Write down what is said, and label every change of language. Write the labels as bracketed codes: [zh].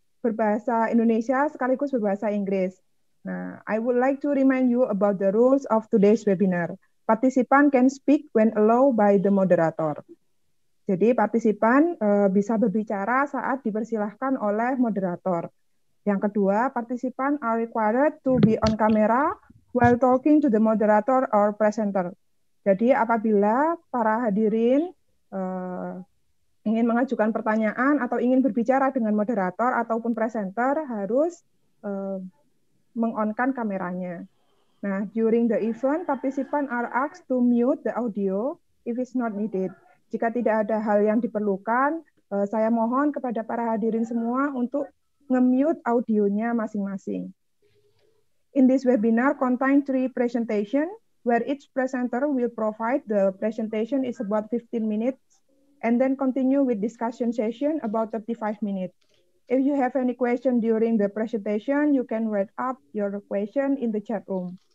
[id] Berbahasa Indonesia sekaligus berbahasa Inggris. [en] Nah, I would like to remind you about the rules of today's webinar. Participant can speak when allowed by the moderator. [id] Jadi, partisipan bisa berbicara saat dipersilahkan oleh moderator. Yang kedua, partisipan [en] are required to be on camera while talking to the moderator or presenter. [id] Jadi, apabila para hadirin ingin mengajukan pertanyaan atau ingin berbicara dengan moderator ataupun presenter, harus meng-on-kan kameranya. [en] Nah, during the event, participants are asked to mute the audio if it's not needed. [id] Jika tidak ada hal yang diperlukan, saya mohon kepada para hadirin semua untuk nge-mute audionya masing-masing. [en] In this webinar, contain three presentation, where each presenter will provide the presentation is about 15 minutes, and then continue with discussion session about 35 minutes. If you have any question during the presentation, you can write up your question in the chat room.